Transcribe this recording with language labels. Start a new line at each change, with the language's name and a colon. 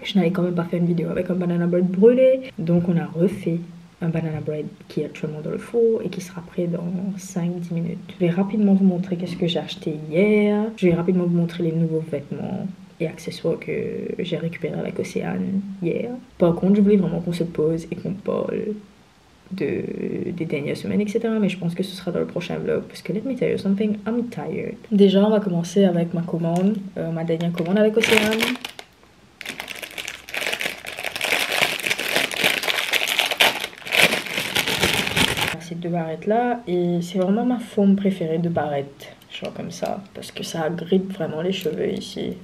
French: Je n'avais quand même pas fait une vidéo avec un banana bread brûlé. Donc, on a refait un banana bread qui est actuellement dans le four et qui sera prêt dans 5-10 minutes. Je vais rapidement vous montrer qu'est-ce que j'ai acheté hier. Je vais rapidement vous montrer les nouveaux vêtements et accessoires que j'ai récupérés avec Océane hier. Par contre, je voulais vraiment qu'on se pose et qu'on parle des dernières semaines, etc. Mais je pense que ce sera dans le prochain vlog. Parce que
English: let me tell you something, I'm tired.
French: Déjà, on va commencer avec ma commande, ma dernière commande avec Océane. De barrettes là, et c'est vraiment ma forme préférée de barrettes, genre comme ça, parce que ça agrippe vraiment les cheveux ici.